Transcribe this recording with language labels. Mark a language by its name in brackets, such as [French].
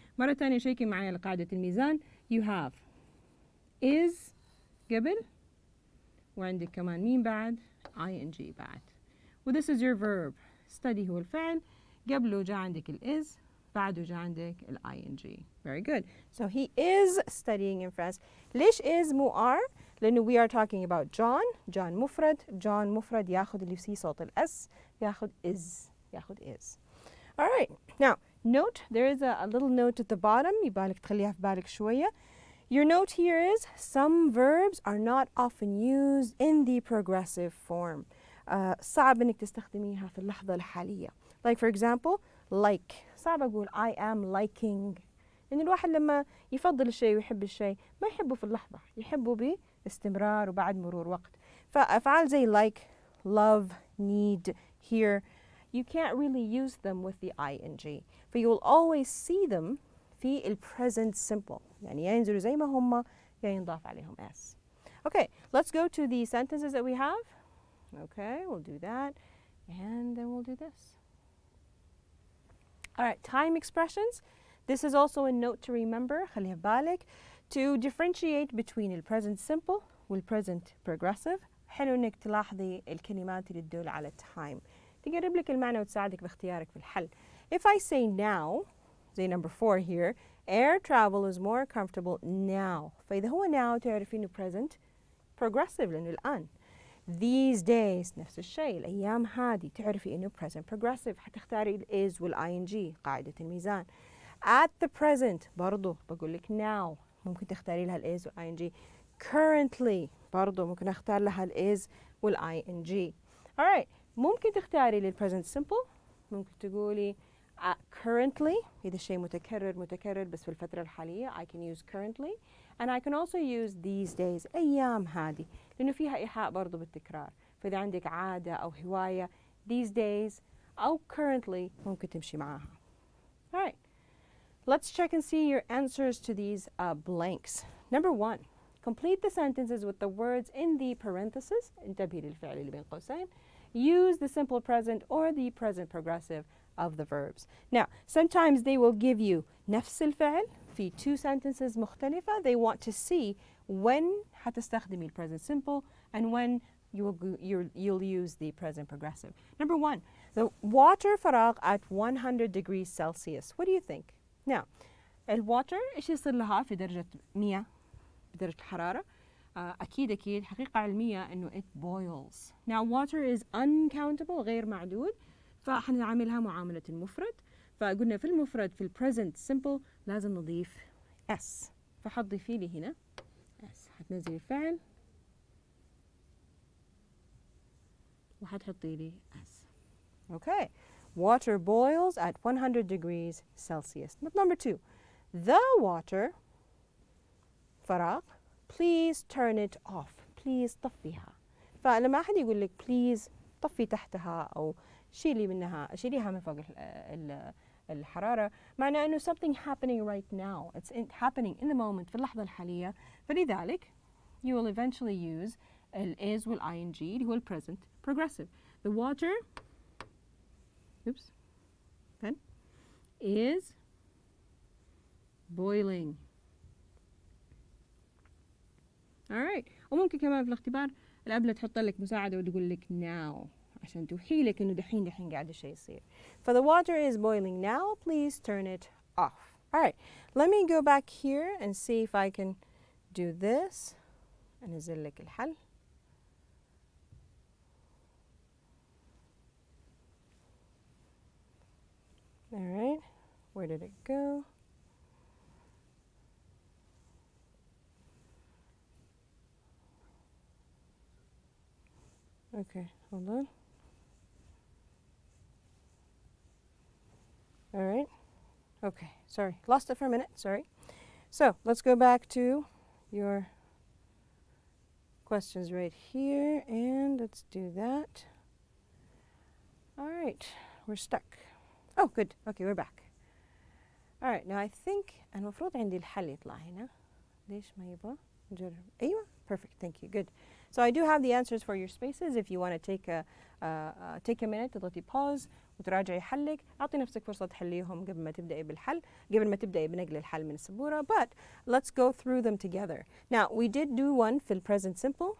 [Arabic] مرة تانية شيكي معي القاعدة الميزان you have is قبل وعندك كمان مين بعد ing بعد و [English] this is your verb study [Arabic] هو الفعل قبله جاء عندك ال is بعده جاء عندك ال ing. [English] Very good. So he is studying in France. ليش is مو are؟ [Arabic] لأنه [English] we are talking about John. [Arabic] John مفرد. John مفرد ياخد اللي فيه صوت الاس. ياخد is. ياخد is. [English] All right. Now, note. There is a little note at the bottom. [Arabic] يبالك تخليها في بالك شوية. [English] Your note here is some verbs are not often used in the progressive form. [Arabic] صعب انك تستخدميها في اللحظة الحالية. [English] Like for example, like. [Arabic] صعب اقول [English] I am liking. [Arabic] إن الواحد لما يفضل الشيء ويحب الشيء ما يحبه في اللحظة يحبه باستمرار وبعد مرور وقت فأفعال زي like, love, need, hear [English] you can't really use them with the ing for you will always see them [Arabic] في ال present simple يعني ينزلوا زي ما هم ينضاف عليهم s. [English] Okay, let's go to the sentences that we have. Okay, we'll do that and then we'll do this. Alright, time expressions. This is also a note to remember, [Arabic] خليها بالك, [English] to differentiate between the present simple and the present progressive. [Arabic] حلو انك تلاحظي الكلمات اللي تدل على time. تقرب لك المعنى وتساعدك باختيارك في الحل. [English] If I say now, زي number four here, air travel is more comfortable now. [Arabic] فإذا هو now تعرفين present progressive لأنه الآن. [English] These days, [Arabic] نفس الشيء, الأيام هذه تعرفي أنه present progressive. حتختاري ال is والing, قاعدة الميزان. [English] At the present, [Arabic] برضو بقول لك now, ممكن تختاري لها الis والing. Currently, برضو ممكن اختار لها الis والing. Alright, ممكن تختاري للpresent simple, ممكن تقولي currently, إذا شيء متكرر متكرر بس في الفترة الحالية, [English] I can use currently. And I can also use these days, [Arabic] أيام هذه, لأنه فيها إيحاء برضو بالتكرار. فإذا عندك عادة أو هواية, these days أو currently, ممكن تمشي معها. [English] Alright. Let's check and see your answers to these blanks. Number one, complete the sentences with the words in the parentheses. [Arabic] انتبه للفعل اللي بين قوسين. [English] Use the simple present or the present progressive of the verbs. Now, sometimes they will give you [Arabic] نفس الفعل في [English] two sentences [Arabic] مختلفة. [English] They want to see when [Arabic] هتستخدمي [English] the present simple and when you'll use the present progressive. Number one, the water فراغ at 100 degrees Celsius. What do you think? [Arabic] Now, الواتر إيش يصير لها في درجة مية بدرجة الحرارة؟ أكيد أكيد حقيقة علمية إنه [English] it boils. Now water is uncountable [Arabic] غير معدود فحنعملها معاملة المفرد. فقلنا في المفرد في present simple لازم نضيف s. فحضيفي لي هنا s. حتنزلي الفعل وحتحطي لي s. [English] Okay. Water boils at 100 degrees Celsius. But number two, the water, فراغ, please turn it off. Please [Arabic] طفيها. فلما أحد يقول لك please طفي تحتها أو شيلي منها شيليها من فوق الحرارة معنى أنه [English] something happening right now. It's happening in the moment [Arabic] في اللحظة الحالية. [English] فلذلك you will eventually use ال is وال ing [Arabic] اللي هو [English] present progressive. The water is boiling. All right. [Arabic] وممكن كمان في الاختبار الأبلة تحط لك مساعدة وتقول لك now عشان توحيلك إنه دحين قاعد الشيء يصير. [English] For the water is boiling now, please turn it off. All right. Let me go back here and see if I can do this. [Arabic] أنزل لك الحل. [English] All right, where did it go? Okay, hold on. All right, okay, sorry, lost it for a minute, sorry. So let's go back to your questions right here, and let's do that. All right, we're stuck. Oh, good. Okay, we're back. All right, now I think [Arabic] أنا مفروض عندي الحل يطلع هنا. ليش ما يبغى؟ نجرب. أيوة. [English] Perfect. Thank you. Good. So I do have the answers for your spaces. If you want to take a minute, [Arabic] تضغطي [English] pause [Arabic] وتراجعي حلك. أعطي نفسك فرصة تحليهم قبل ما تبدأي بالحل. قبل ما تبدأي بنقل الحل من السبورة. [English] But let's go through them together. Now we did do one في present simple.